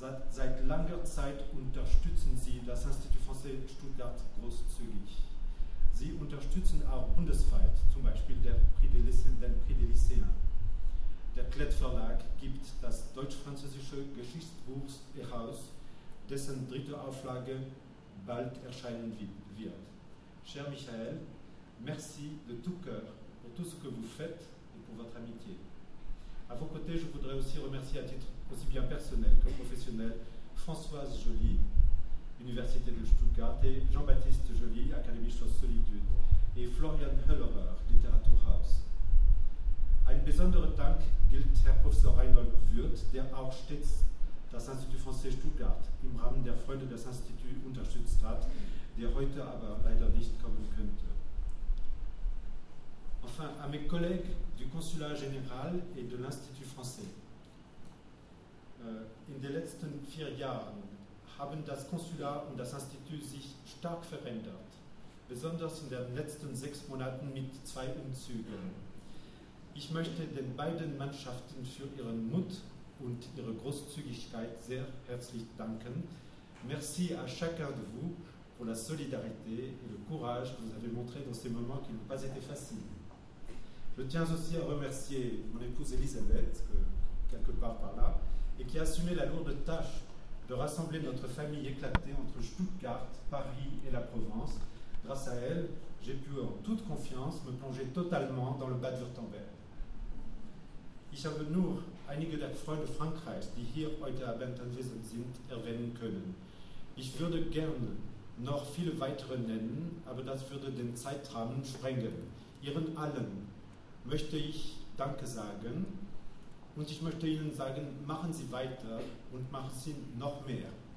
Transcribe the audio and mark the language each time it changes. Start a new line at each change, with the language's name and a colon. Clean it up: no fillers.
German: Seit langer Zeit unterstützen Sie das Institut Français de Stuttgart großzügig. Sie unterstützen auch bundesweit, zum Beispiel den Prix des Lycéens. Der Klett Verlag gibt das deutsch-französische Geschichtsbuch heraus, dessen dritte Auflage bald erscheinen wird.
French: Cher Michael, merci de tout cœur pour tout ce que vous faites et pour votre amitié. À vos côtés, je voudrais aussi remercier à titre aussi bien personnel que professionnel Françoise Joly, Université de Stuttgart, et Jean-Baptiste Joly, Académie Chose Solitude, et Florian Höllerer, Literaturhaus.
German: Ein besonderer Dank gilt Herr Professor Reinhold Würth, der auch stets das Institut Français Stuttgart im Rahmen der Freunde des Instituts unterstützt hat, der heute aber leider nicht kommen könnte.
French: Enfin, à mes collègues du Consulat Général et de l'Institut Français.
German: In den letzten 4 Jahren haben das Konsulat und das Institut sich stark verändert, besonders in den letzten 6 Monaten mit 2 Umzügen. Ich möchte den beiden Mannschaften für ihren Mut und ihre Großzügigkeit sehr herzlich danken.
French: Merci à chacun de vous pour la solidarité et le courage que vous avez montré dans ces moments qui n'ont pas été faciles. Je tiens aussi à remercier mon épouse Elisabeth, quelque part par là, et qui assumait la lourde tâche de rassembler notre famille éclatée entre Stuttgart, Paris et la Provence. Grâce à elle, j'ai pu en toute confiance me plonger totalement dans le Bade-Württemberg.
German: Ich habe nur einige der Freunde Frankreichs, die hier heute Abend anwesend sind, erwähnen können. Ich würde gerne noch viele weitere nennen, aber das würde den Zeitrahmen sprengen. Ihren allen möchte ich Danke sagen und ich möchte Ihnen sagen, machen Sie weiter und machen Sie noch mehr.